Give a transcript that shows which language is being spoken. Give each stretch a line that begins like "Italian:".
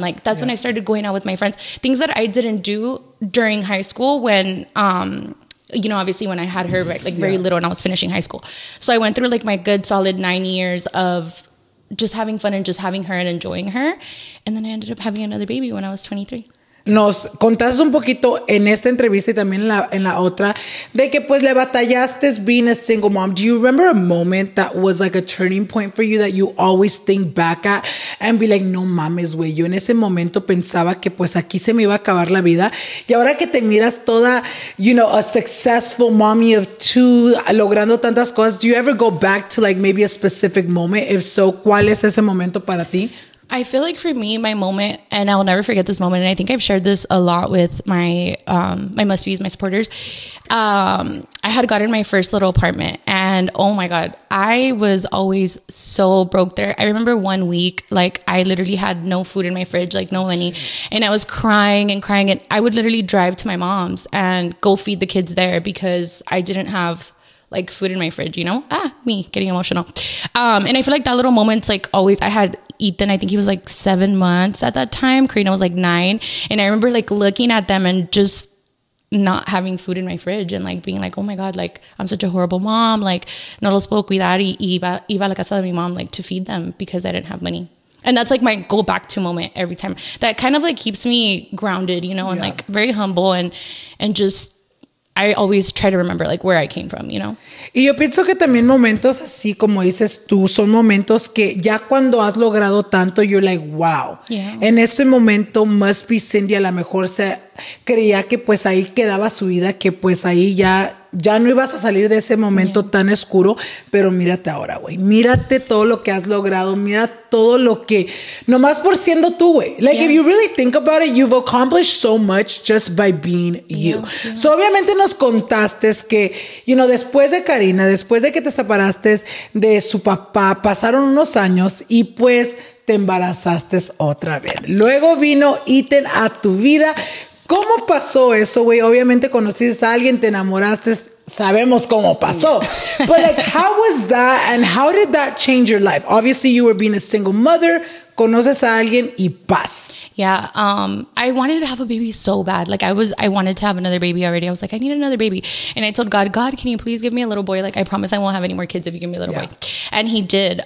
English: Like that's when I started going out with my friends, things that I didn't do during high school when you know, obviously when I had her, like very little, and I was finishing high school. So I went through like my good solid 9 years of just having fun and just having her and enjoying her. And then I ended up having another baby when I was 23.
Spanish: Nos contaste un poquito en esta entrevista y también en la otra de que pues le batallaste
English: being a single mom. Do you remember a moment that was like a turning point for you that you always think back at and be like,
Spanish: no mames, güey, yo en ese momento pensaba que pues aquí se me iba a acabar la vida. Y ahora que te miras toda,
English: you know, a successful mommy of two,
Spanish: logrando tantas cosas,
English: do you ever go back to like maybe a specific moment? If so,
Spanish: ¿cuál es ese momento para ti?
English: I feel like for me, my moment, and I will never forget this moment, and I think I've shared this a lot with my my MustBeCindy's, my supporters. I had gotten my first little apartment, and oh my God, I was always so broke there. I remember 1 week, like I literally had no food in my fridge, like no money, and I was crying and crying, and I would literally drive to my mom's and go feed the kids there because I didn't have like food in my fridge, you know? Ah, me getting emotional. And I feel like that little moment's like always, I had Ethan, I think he was like 7 months at that time. Karina was like 9. And I remember like looking at them and just not having food in my fridge and like being like, oh my God, like I'm such a horrible mom.
Spanish: Like no los puedo cuidar y iba a la casa de mi mom
English: like to feed them because I didn't have money. And that's like my go back to moment every time. That kind of like keeps me grounded, you know, and like very humble and just, I always try to remember like where I came from, you know?
Spanish: Y yo pienso que también momentos así como dices tú, son momentos que ya cuando has logrado tanto,
English: you're like, wow. Yeah.
Spanish: En ese momento, MustBeCindy a lo mejor se creía que pues ahí quedaba su vida, que pues ahí ya no ibas a salir de ese momento tan oscuro, pero mírate ahora, güey. Mírate todo lo que has logrado. Mira todo lo que... Nomás por siendo tú, güey.
English: Like, if you really think about it, you've accomplished so much just by being you.
Spanish: So, obviamente nos contaste que, you know, después de Karina, después de que te separaste de su papá, pasaron unos años y pues te embarazaste otra vez. Luego vino Ethan a tu vida... ¿Cómo pasó eso, güey? Obviamente conociste a alguien, te enamoraste, sabemos cómo pasó.
English: But like, how was that and how did that change your life? Obviously, you were being a single mother,
Spanish: conoces a alguien y paz.
English: Yeah, I wanted to have a baby so bad. Like, I wanted to have another baby already. I was like, I need another baby. And I told God, God, can you please give me a little boy? Like, I promise I won't have any more kids if you give me a little boy. And he did.